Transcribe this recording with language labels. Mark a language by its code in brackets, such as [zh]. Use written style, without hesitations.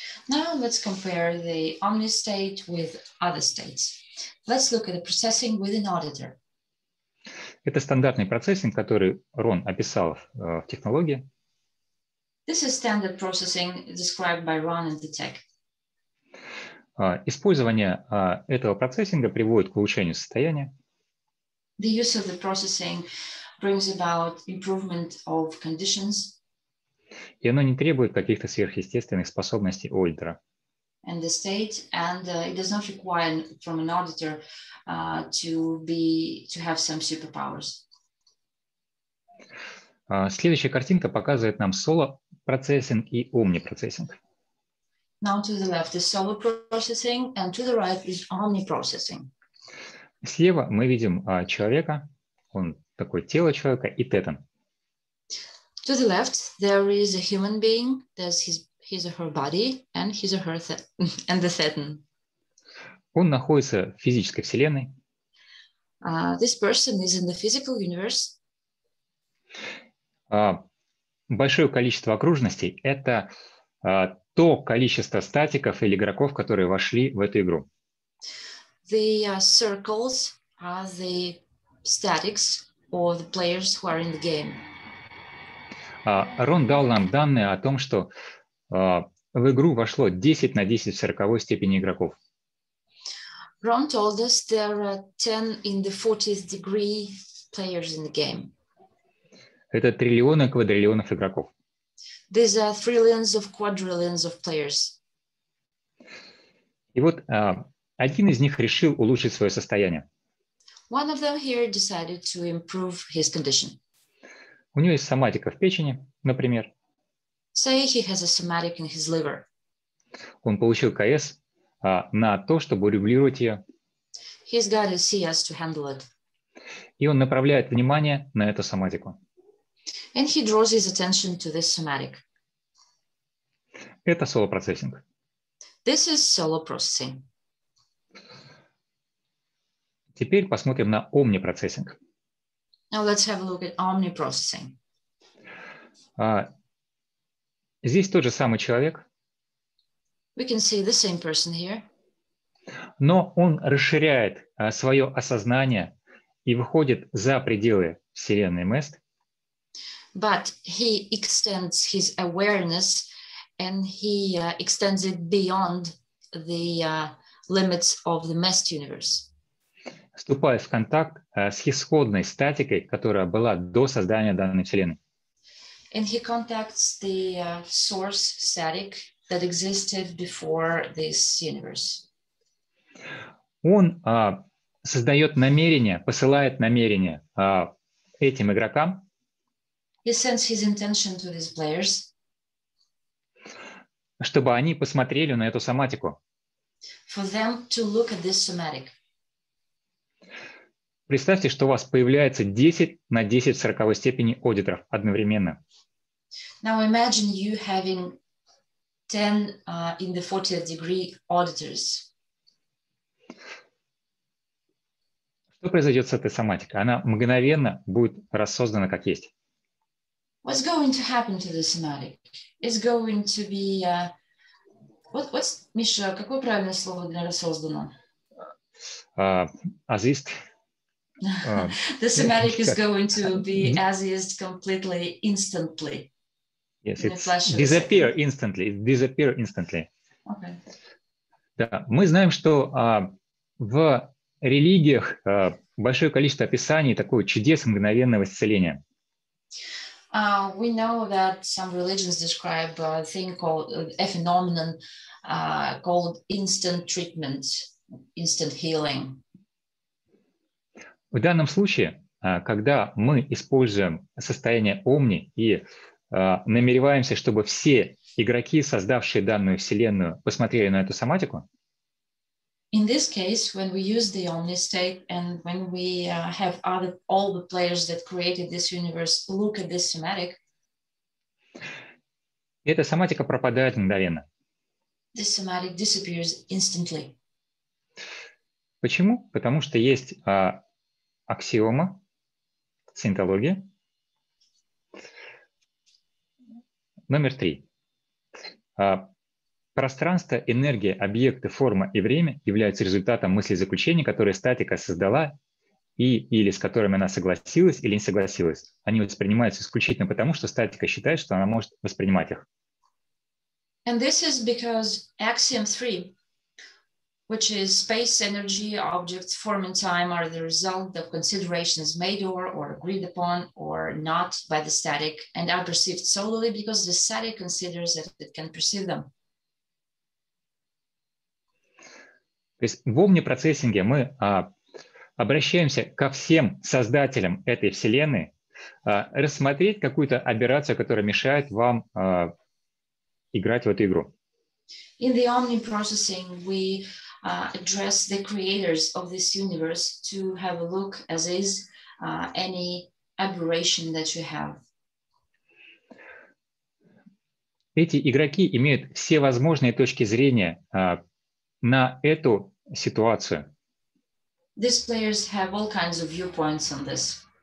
[en] Now let's compare the Omni state with other states. Let's look at the processing with an auditor. [ru] Это стандартный процессинг, который Рон описал в технологии. [en] This is standard processing described by Ron in the tech. [ru] Использование этого процессинга приводит к улучшению состояния. [en] The use of the processing brings about improvement of conditions. [ru] И оно не требует каких-то сверхъестественных способностей аудитора. [en] in the state, and it does not require from an auditor to have some superpowers. [ru] Следующая картинка показывает нам solo processing и omniprocessing. [en] Now to the left is solo processing, and to the right is omniprocessing. [ru] Слева мы видим человека, он такой тело человека и тетан. [en] To the left there is a human being, there's his or her body and his or her and the tetan. [ru] Он находится в физической вселенной. [en] This person is in the physical universe. [ru] Большое количество окружностей – это то количество статиков или игроков, которые вошли в эту игру. [en] The circles are the statics or the players who are in the game. [ru] Рон дал нам данные о том, что в игру вошло 10 на 10 в 40-й степени игроков. [en] Рон told us there are 10 in the 40th degree players in the game. [ru] Это триллионы квадриллионов игроков. [en] These are trillions of quadrillions of players. [ru] И вот один из них решил улучшить свое состояние. [en] One of them here decided to improve his condition. [ru] У него есть соматика в печени, например. [en] Say he has a somatic in his liver. [ru] Он получил КС на то, чтобы урегулировать ее. [en] He's got a CS to handle it. [ru] И он направляет внимание на эту соматику. [en] And he draws his attention to this somatic. [ru] Это solo processing. [en] This is solo processing. [ru] Теперь посмотрим на omniprocessing. [en] Now let's have a look at omniprocessing. [ru] Здесь тот же самый человек. [en] We can see the same person here. [ru] Но он расширяет свое осознание и выходит за пределы вселенной Мест. [en] But he extends his awareness and he extends it beyond the limits of the MEST universe. [ru] Вступая в контакт с исходной статикой, которая была до создания данной вселенной. [en] And he contacts the source static that existed before this universe. [ru] Он создает намерение, посылает намерение этим игрокам. [en] He sends his intention to these players. [ru] Чтобы они посмотрели на эту соматику. [en] For them to look at this somatic. [ru] Представьте, что у вас появляется 10 на 10 в 40-й степени аудиторов одновременно. [en] Now imagine you having 10 in the 40th degree auditors. [ru] Что произойдет с этой соматикой? Она мгновенно будет рассоздана как есть. [en] What's going to happen to the somatic? It's going to be what's [ru] Миша, какое правильное слово для рассоздано? [en] As is. The somatic is going to be as is completely instantly. Yes, it disappears instantly. Okay. [ru] Да, мы знаем, что в религиях большое количество описаний такого чудеса мгновенного исцеления. [en] We know that some religions describe a thing called a phenomenon called instant treatment, instant healing. [ru] В данном случае, когда мы используем состояние омни и намереваемся, чтобы все игроки, создавшие данную вселенную, посмотрели на эту соматику. [en] In this case, when we use the omni state and when we have all the players that created this universe look at this somatic, [ru] эта соматика пропадает мгновенно. [en] This somatic disappears instantly. [ru] Почему? Потому что есть аксиома синтологии номер 3. Пространство, энергия, объекты, форма и время являются результатом мыслезаключений, которые статика создала и или с которыми она согласилась или не согласилась. Они воспринимаются исключительно потому, что статика считает, что она может воспринимать их. [en] And this is because axiom 3, which is space, energy, objects, form and time are the result of considerations made or agreed upon or not by the static and are perceived solely because the static considers that it can perceive them. [ru] То есть в омнипроцессинге мы обращаемся ко всем создателям этой вселенной рассмотреть какую-то аберрацию, которая мешает вам играть в эту игру. [en] In the omniprocessing, we address the creators of this universe to have a look as is any aberration that you have. [ru] Эти игроки имеют все возможные точки зрения на эту ситуацию. [en] These players have all kinds of viewpoints on this.